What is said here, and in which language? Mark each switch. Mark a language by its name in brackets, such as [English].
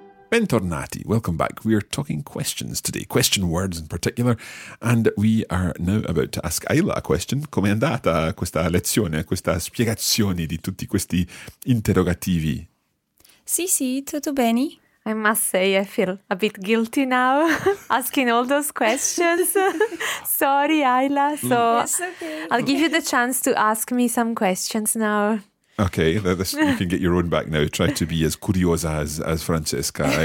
[Italian] Bentornati, [English] welcome back. We are talking questions today, question words in particular, and we are now about to ask Ayla a question. [Italian] Come è andata questa lezione, questa spiegazione di tutti questi interrogativi? Sì, sì, tutto bene. [English] I must say I feel a bit guilty now asking all those questions. Sorry, Ayla. So it's okay. I'll give you the chance to ask me some questions now. Okay, this, you can get your own back now. Try to be as curiosa as Francesca.